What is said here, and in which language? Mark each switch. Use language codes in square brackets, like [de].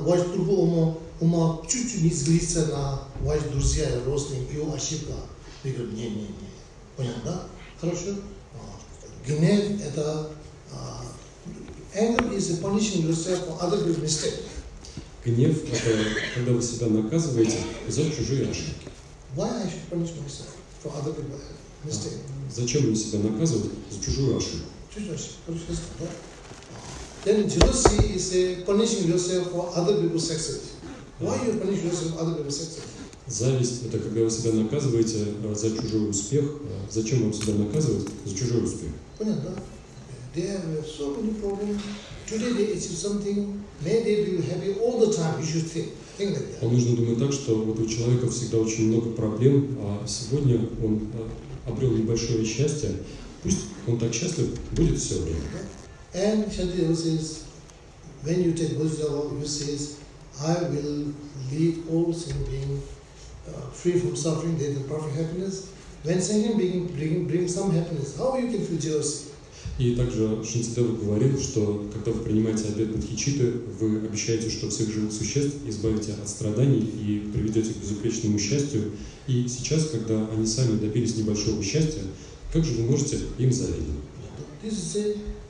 [ru] Ваш друг ума чуть-чуть не злится на ваши друзья, родственники, его ошибка. Вы говорите, не. Понял, да? Хорошо? Гнев – это… [en] Anger is punishing yourself for other good mistakes. [ru] Гнев – это когда вы себя наказываете за чужие ошибки. [en] Why I should punish myself for other good mistakes? [ru] Зачем мне себя наказывать за чужую ошибку? Чужую ошибку. Хорошо, да? [en] Then jealousy is punishing yourself for other people's success. Why you punish yourself for other people's success? [ru] Зависть – это когда вы себя наказываете за чужой успех. Зачем вам себя наказывать за чужой успех? Понятно, да? [en] They have so many problems. Today they achieve something. May they be happy all the time. You should think like that. [ru] Вам нужно думать так, что вот у человека всегда очень много проблем, а сегодня он обрел небольшое счастье. Пусть он так счастлив будет все время. [en] And Shantideva says, when you take Bodhisattva, you say, I will lead all sentient beings free from suffering, they have perfect happiness. When sentient beings bring some happiness, how you can feel jealousy? [ru] И также Шинцедева говорил, что когда вы принимаете обет бодхичитты, вы обещаете, что всех живых существ избавите от страданий и приведете к безупречному счастью. И сейчас, когда они сами добились небольшого счастья, как же вы можете им завидовать?